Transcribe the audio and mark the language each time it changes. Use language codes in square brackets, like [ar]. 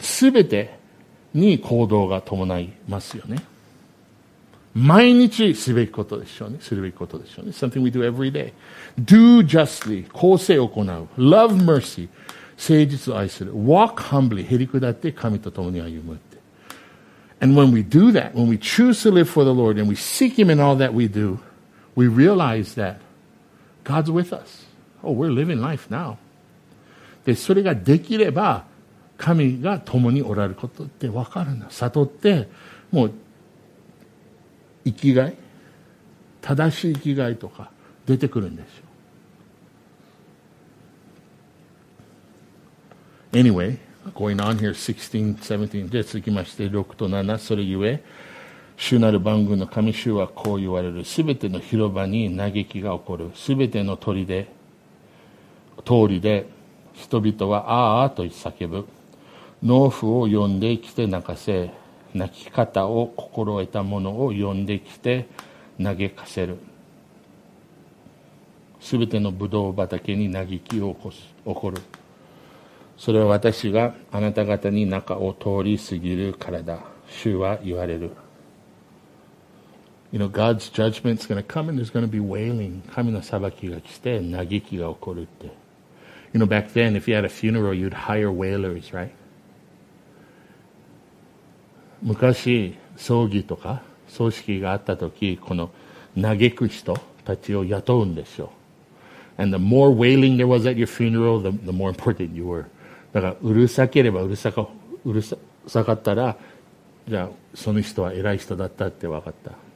[ja] すべてに行動が伴いますよね。毎日すべきことでしょうね。するべきことでしょうね。 [en] Something we do every day. Do justly. [ja] 公正を行う。 [en] Love mercy. [ja] 誠実を愛する。 [en] Walk humbly. [ja] へりくだって神と共に歩むって。 [en] And when we do that, when we choose to live for the Lord and we seek Him in all that we do, we realize that God's with us. Oh, we're living life now. [ja] で、それができれば神が共におられることってわかるの。悟って、もう、生きがい、正しい生きがいとか出てくるんでしょ。 [en] Anyway, going on here, 16, 17. [ja] じゃあ続きまして、6と7。それゆえ、主なる万軍の神主はこう言われる。すべての広場に嘆きが起こる。すべての通りで、人々はあーあーと叫ぶ。農夫を呼んできて泣かせ。泣き方を心得た者を呼んできて嘆かせる。すべてのブドウ畑に嘆きを起こる。それは私があなた方に中を通り過ぎるからだ。主は言われる。 [en] You know, God's judgment's gonna come and there's gonna be wailing. [ja] 神の裁きが来て嘆きが起こるって。 [en] You know, back then, if you had a funeral, you'd hire wailers, right? [ja] 昔、葬儀とか葬式があった時、この嘆く人たちを雇うんでしょう。 [en] And the more wailing there was at your funeral, the more important you were. [ja] だから、うるさければうるさかったら、じゃあ、その人は偉い人だったって分かった。